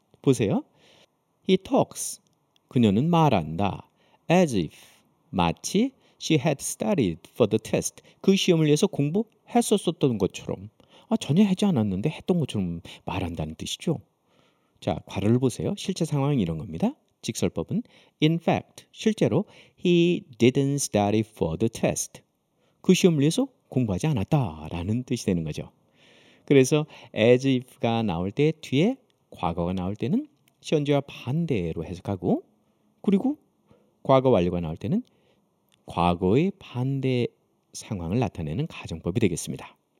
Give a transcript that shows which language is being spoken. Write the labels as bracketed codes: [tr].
[ko] 보세요. [en] He talks. [ko] 그녀는 말한다. [en] As if. [ko] 마치 [en] she had studied for the test. [ko] 그 시험을 위해서 공부했었던 것처럼. 아, 전혀 하지 않았는데 했던 것처럼 말한다는 뜻이죠. 자, 괄호를 보세요. 실제 상황은 이런 겁니다. 직설법은 [en] In fact, [ko] 실제로 [en] He didn't study for the test. [ko] 그 시험을 위해서 공부하지 않았다라는 뜻이 되는 거죠. 그래서 as if가 나올 때 뒤에 과거가 나올 때는 현재와 반대로 해석하고 그리고 과거 완료가 나올 때는 과거의 반대 상황을 나타내는 가정법이 되겠습니다.